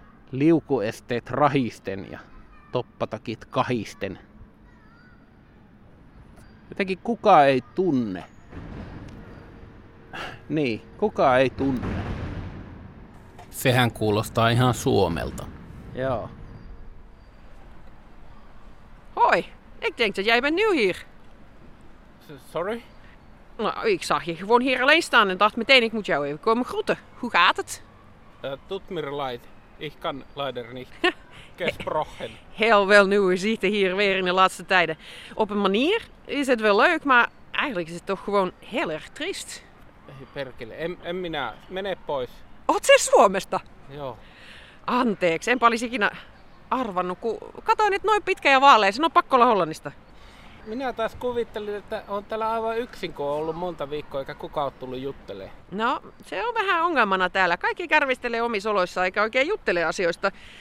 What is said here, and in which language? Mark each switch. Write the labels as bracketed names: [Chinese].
[Finnish] Liukuesteet rahisten ja toppatakit kahisten. Jotenkin kukaan ei tunne. Niin, kukaan ei tunne. Sehän kuulostaa ihan suomelta. Joo. [Dutch] Hoi, ik denk dat jij bent nieuw hier. [English] Sorry? [Dutch] Nou, ik zag je gewoon hier alleen staan en dacht meteen ik moet jou even komen groeten. Hoe gaat het? [German] Tut mir leid. [Dutch] Ik kan leider niet. [German] Gesprochen. [Dutch] Heel wel nieuwe zitten hier weer in de laatste tijden. Op een manier is het wel leuk, maar eigenlijk is het toch gewoon heel erg triest. [Finnish] Perkele, en minä, mene pois. Oot se Suomesta? Joo. Anteeksi, enpä olisi ikinä arvannut, kun katsoin, että noin pitkä ja vaalea, sen on pakko olla Hollannista. Minä taas kuvittelin, että on täällä aivan yksin, kun on ollut monta viikkoa, eikä kukaan ole tullut juttelemaan. No, se on vähän ongelmana täällä. Kaikki kärvistelee omissa oloissa, eikä oikein juttele asioista.